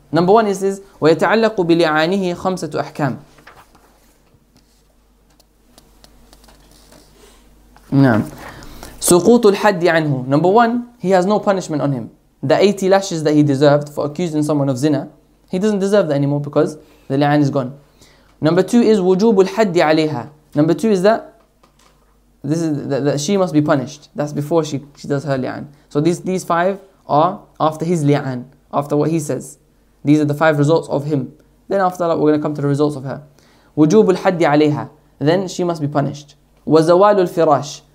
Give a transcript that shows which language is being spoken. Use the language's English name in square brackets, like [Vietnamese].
[English] Number one, it says, [Arabic] وَيَتَعَلَّقُ بِلِعَانِهِ خَمْسَةُ أَحْكَامٍ. سقوط الحد عنه. [English] Number one, he has no punishment on him. The 80 lashes that he deserved for accusing someone of zina, he doesn't deserve that anymore because the li'an is gone. Number two is [Arabic] وجوب الحد عليها. [English] Number two is that she must be punished. That's before she does her li'an. So these five are after his li'an, after what he says. These are the five results of him. Then after that, we're going to come to the results of her. [Arabic] وجوب الحد عليها. [English] Then she must be punished. [Arabic] وزوال الفراش.